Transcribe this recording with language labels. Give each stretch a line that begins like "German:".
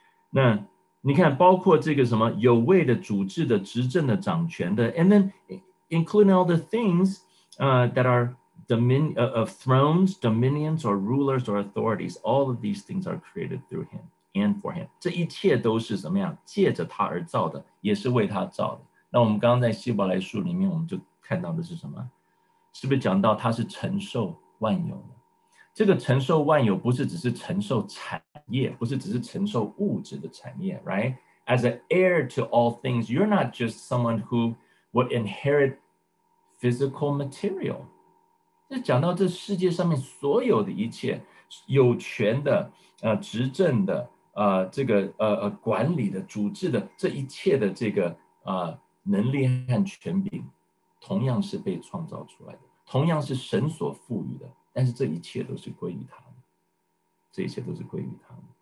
Chinese: 那你看，包括这个什么有位的、主治的、执政的、掌权的
English: ，and then including all the things, that are of thrones, dominions, or rulers or authorities, all of these things are created through him. And for him,
Chinese: 这一切都是怎么样借着他而造的，也是为他造的。那我们刚刚在希伯来书里面，我们就看到的是什么？是不是讲到他是承受万有的？这个承受万有不是只是承受产业，不是只是承受物质的产业 ，right?
English: As an heir to all things, you're not just someone who would inherit physical material.
Chinese: 这讲到这世界上面所有的一切，有权的，执政的。这个管理的、主治的，这一切的这个能力和权柄同样是被创造出来的，同样是神所赋予的，但是这一切都是归于他，这一切都是归于他。